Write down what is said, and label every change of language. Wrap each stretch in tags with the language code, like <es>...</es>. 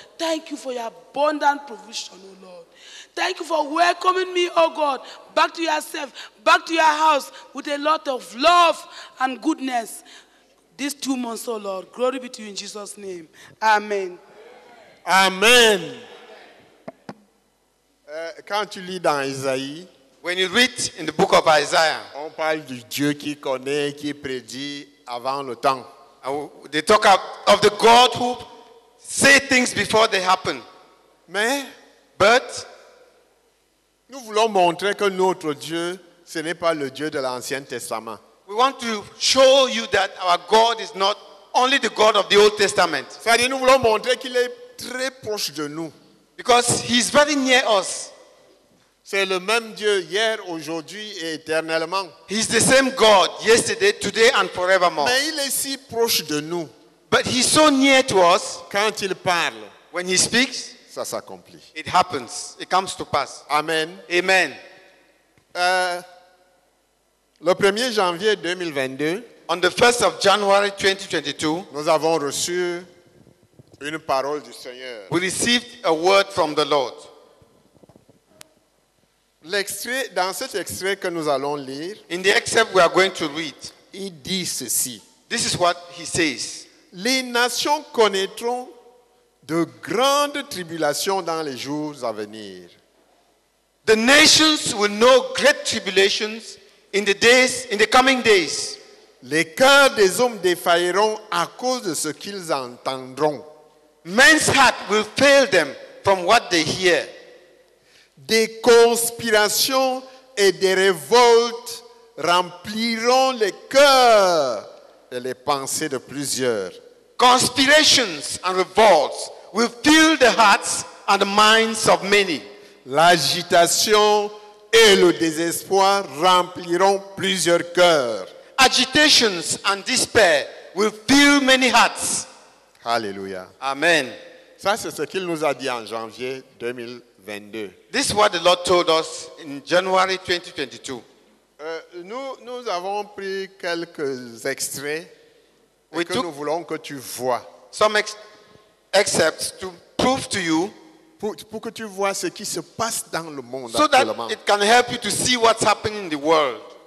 <en>Thank you for your abundant provision, oh Lord. Thank you for welcoming me, oh God, back to yourself, back to your house with a lot of love and goodness. These 2 months, oh Lord, glory be to you in Jesus' name. Amen. Amen. Can't you read on Isaiah? When you read in the book of Isaiah,</en> <fr>on parle du Dieu qui connaît, qui prédit avant le temps.</fr> <en>They talk of the God who say things before they happen. But</en> <fr>nous voulons montrer que notre Dieu, ce n'est pas le Dieu de l'Ancien Testament.</fr> <en>We want to show you that our God is not only the God of the Old Testament.</en> <fr>C'est-à-dire, nous voulons montrer qu'il est très proche de nous.</fr> <en>Because he's very near us.</en> <fr>C'est le même Dieu hier, aujourd'hui et éternellement.</fr> <en>He's the same God yesterday, today and forevermore.</en> <fr>Mais il est si proche de nous.</fr> <en>But he's so near to us.</en> <fr>Quand il parle.</fr> <en>When he speaks.</en> <fr>Ça s'accomplit.</fr> <en>It happens. It comes to pass. Amen. Amen.</en> <fr>Le 1er janvier 2022,</fr> <en>on the 1st of January 2022,</en> <fr>nous avons reçu une parole du Seigneur.</fr> <en>We received a word from the Lord.</en> <fr>L'extrait, dans cet extrait que nous allons lire,</fr> <en>in the excerpt we are going to read,</en> <fr>il dit ceci.</fr> <en>This is what he says.</en> <fr>Les nations connaîtront de grandes tribulations dans les jours à venir.</fr> <en>The nations will know great tribulations in the days, in the coming days.</en> <fr>Les cœurs des hommes défailleront à cause de ce qu'ils entendront.</fr> <en>Men's heart will fail them from what they hear.</en> <fr>Des conspirations et des révoltes rempliront les cœurs et les pensées de plusieurs.</fr> <en>Conspirations and revolts will fill the hearts and the minds of many.</en> <fr>L'agitation et le désespoir rempliront plusieurs cœurs.</fr> <en>Agitations and despair will fill many hearts. Hallelujah. Amen.</en> <fr>Ça, c'est ce qu'il nous a dit en janvier 2022.</fr> <en>This is what the Lord told us in January 2022.</en> <fr>Nous avons pris quelques extraits que nous voulons que tu vois.</fr> <en>Some excerpts to prove to you</en> <fr>pour que tu vois ce qui se passe dans le monde</fr> <en>so</en> <fr>actuellement.</fr> <en>That it can help you to see what's happening in the world.</en>